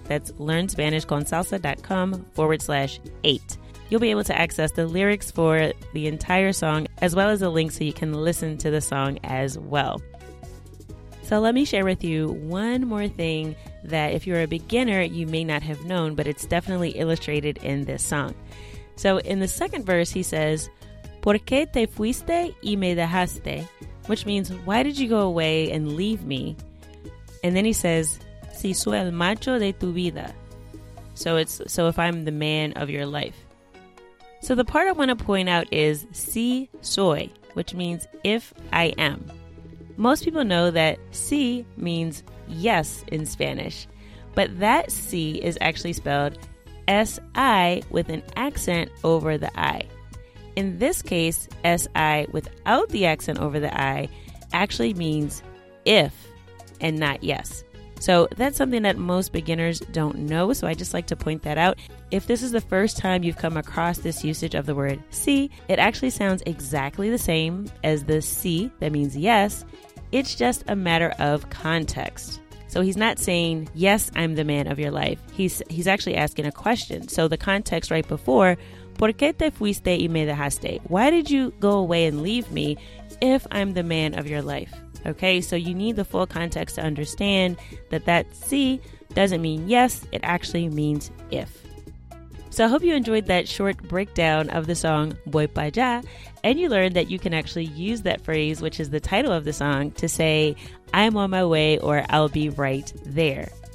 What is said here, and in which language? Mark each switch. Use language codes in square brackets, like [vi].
[en] That's learnspanishconsalsa.com/8. You'll be able to access the lyrics for the entire song as well as a link so you can listen to the song as well. So let me share with you one more thing that if you're a beginner, you may not have known, but it's definitely illustrated in this song. So in the second verse, he says, [es] ¿Por qué te fuiste y me dejaste? [en] Which means, why did you go away and leave me? And then he says, [es] si soy el macho de tu vida. [en] So it's, so if I'm the man of your life. So the part I want to point out is [es] si soy, [en] which means if I am. Most people know that si means yes in Spanish, but that si is actually spelled S-I with an accent over the I. In this case, S-I without the accent over the I actually means if and not yes. So that's something that most beginners don't know, so I just like to point that out. If this is the first time you've come across this usage of the word si, it actually sounds exactly the same as the si that means yes. It's just a matter of context. So he's not saying, yes, I'm the man of your life. He's actually asking a question. So the context right before, [es] ¿Por qué te fuiste y me dejaste? [en] Why did you go away and leave me if I'm the man of your life? Okay, so you need the full context to understand that that sí doesn't mean yes, it actually means if. So I hope you enjoyed that short breakdown of the song Voy Pa Allá, and you learned that you can actually use that phrase, which is the title of the song, to say, I'm on my way or I'll be right there.